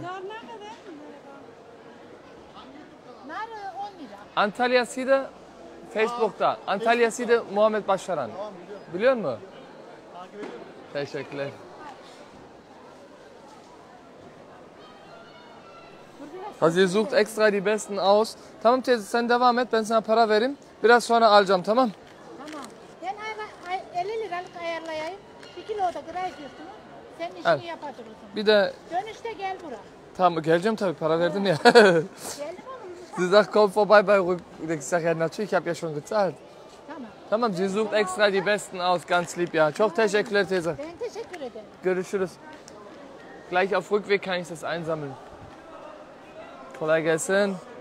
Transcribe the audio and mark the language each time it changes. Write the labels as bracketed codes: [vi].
[tr] Nar 10 lira. Antalya'sıydı. Facebook'ta. Antalya Side Muhammed Başaran. Tamam, biliyor musun? Takip ediyorum. Teşekkürler. [de] Hazi sucht extra die besten aus. [tr] Tamam teyze sen devam et, ben sana para vereyim. Biraz sonra alacağım, tamam? Tamam. Ben 50 liralık ayarlayayım. 2 kilo da gıda ediyorsun. Senin işini evet. Yapabilirsin. Bir de... Dönüşte gel buraya. Tamam geleceğim tabii, para verdim ya. Geldim. [de] Sie sagt, komm vorbei bei Rücken. Ich sage, ja, natürlich, ich habe ja schon gezahlt. [tr] Tamam. [de] Tamam, sie sucht extra die Besten aus, ganz lieb, ja. [tr] Çok teşekkürler, Teyze. Ben teşekkür ederim. Görüşürüz. [de] Gleich auf Rückweg kann ich das einsammeln. [tr] Kolay gelsin.